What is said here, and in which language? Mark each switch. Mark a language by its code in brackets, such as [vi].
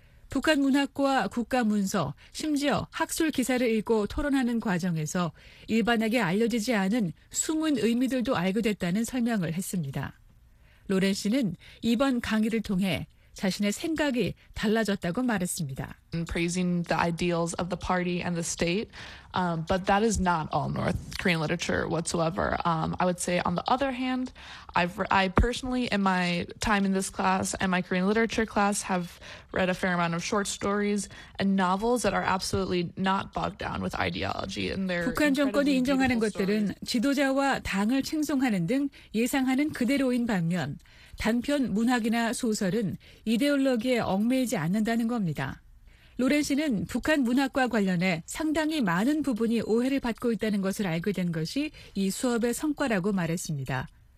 [ko] 북한 문학과 국가 문서, 심지어 학술 기사를 읽고 토론하는 과정에서 일반에게 알려지지 않은 숨은 의미들도 알게 됐다는 설명을 했습니다. 로렌 씨는 이번 강의를 통해 자신의 생각이 달라졌다고 말했습니다. [en] Praising the ideals of the party and the state, but that is not all North Korean literature whatsoever. I would say on the other hand, I personally in my time in this class and my Korean literature class have read a fair amount of short stories and novels that are absolutely not bogged down with ideology and their [ko] 북한 정권이 인정하는 것들은 지도자와 당을 칭송하는 등 예상하는 그대로인 반면 단편 문학이나 소설은 이데올로기에 얽매이지 않는다는 겁니다. 로렌 씨는 북한 문학과 관련해 상당히 많은 부분이 오해를 받고 있다는 것을 알게 된 것이 이 수업의 성과라고 말했습니다.